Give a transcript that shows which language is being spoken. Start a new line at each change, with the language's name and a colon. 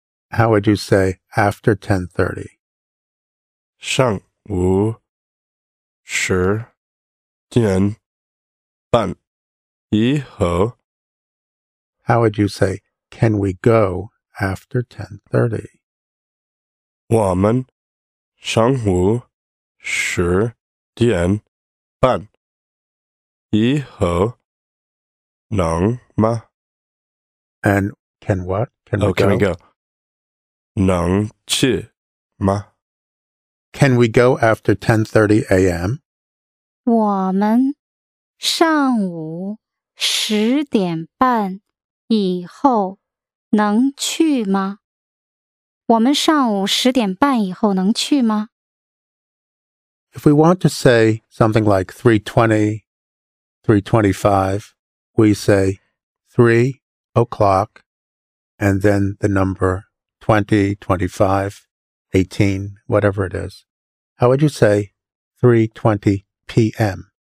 English: How would you say after 10:30?
Chinese: 上午十点半以后。
English: How would you say, can we go after 10:30?
Chinese: 我们上午十点半以后能吗?
English: And can what? Can we go? Can we go?
Chinese: 能去吗?
English: Can we go after 10:30 a.m.?
Chinese: 我们上午十点半以后能去吗? 我们上午十点半以后能去吗?
English: If we want to say something like 3:20, 3:25, we say 3 o'clock and then the number 20, 25, 18, whatever it is. How would you say 3:20 p.m.?